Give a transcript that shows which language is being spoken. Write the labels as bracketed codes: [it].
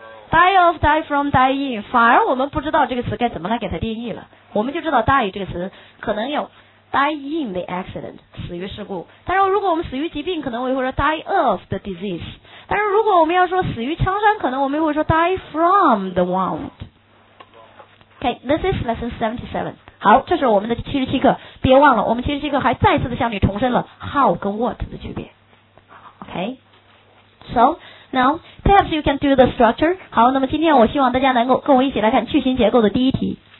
[zh] die of， die from， die in， 反而我们不知道这个词该怎么来给它定义了，我们就知道 die 这个词可能有 [en] die in the accident， [zh] 死于事故，但是如果我们死于疾病可能我会说 [en] die of the disease， [zh] 但是如果我们要说死于枪伤可能我们会说 [en] die from the wound。 Okay, this is lesson 77. [zh] 好，这是我们的77课，别忘了我们77课还再次的向你重申了 how 跟 what 的区别。 [en] OK, So now perhaps you can do the structure. [zh] 好，那么今天我希望大家能够跟我一起来看句型结构的第一题。